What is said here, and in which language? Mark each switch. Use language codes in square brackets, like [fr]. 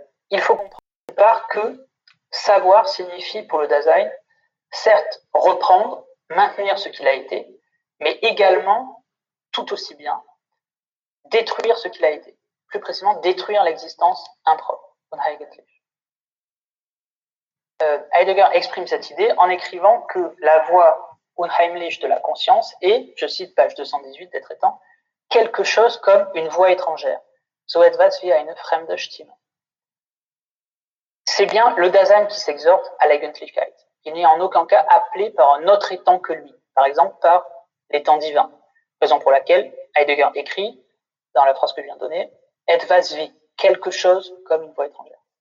[fr] Il faut comprendre d'une part que savoir signifie pour le Dasein, certes, reprendre, maintenir ce qu'il a été, mais également, tout aussi bien, détruire ce qu'il a été. Plus précisément, détruire l'existence impropre. Heidegger exprime cette idée en écrivant que la voie unheimlich de la conscience est, je cite page 218 d'Être et Temps, quelque chose comme une voie étrangère. [de] So etwas wie eine fremde Stimme. [fr] C'est bien le Dasein qui s'exhorte à l'Eigentlichkeit. Il n'est en aucun cas appelé par un autre étant que lui, par exemple par l'étant divin. Raison pour laquelle Heidegger écrit, dans la phrase que je viens de donner, [de] etwas wie, [fr] quelque chose comme une voie étrangère.